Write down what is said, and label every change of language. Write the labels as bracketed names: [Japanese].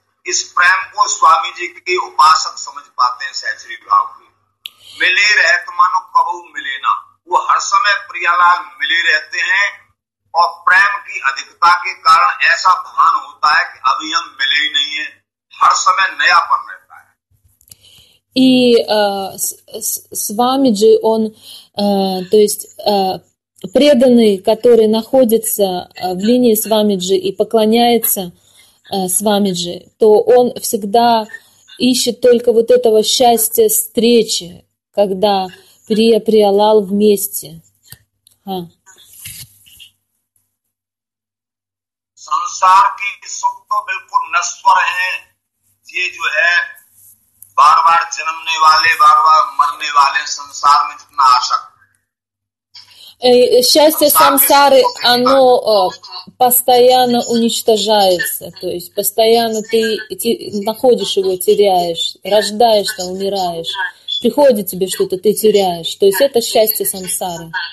[Hindi] इस प्रेम को स्वामी जी के उपासक समझ पाते हैं सहज भाव के। मिले रहते मानो कबू मिले ना, वो हर समय प्रियालाल मिले रहते हैं और प्रेम की अधिकता के कारण ऐसा भान होता है कि अभी हम मिले ही नहीं है, हर समय नयापन रहता है। [Russian] И स्वामी जी он то есть преданный, который находится в линии Свамиджи и поклоняется Свамиджи, то он всегда ищет только вот этого счастья встречи, когда приялал вместе. [Hindi] Сансар ки сук то билкул насвар хэ, ये जो है बार-बार जन्मने वाले बार-बार मरने वाले संसार में जितना आशक्त। [Russian] Счастье самсары, оно постоянно уничтожается, то есть постоянно ты находишь его, теряешь, рождаешься, умираешь, приходит тебе что-то, ты теряешь, то есть это счастье самсары.